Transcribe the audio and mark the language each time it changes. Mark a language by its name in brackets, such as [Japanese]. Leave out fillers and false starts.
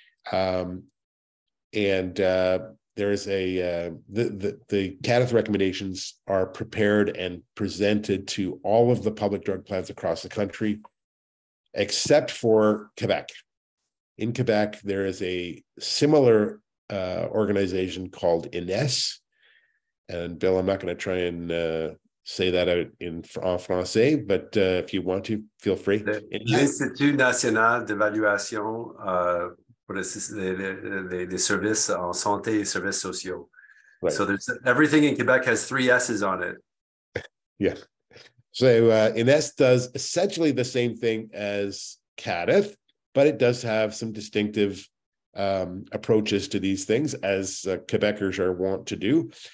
[English] The CADTH recommendations are prepared and presented to all of the public drug plans across the country, except for Quebec. In Quebec, there is a similar organization called INES. And Bill, I'm not going to try and say that out in Francais, but if you want to, feel free. [French] L'Institut National d'Evaluation pour les services en santé et services sociaux. [English] Right. So there's everything in Quebec has three S's on it. Yeah. So INES does essentially the same thing as CADTH, but it does have some distinctive approaches to these things, as Quebecers are wont to do.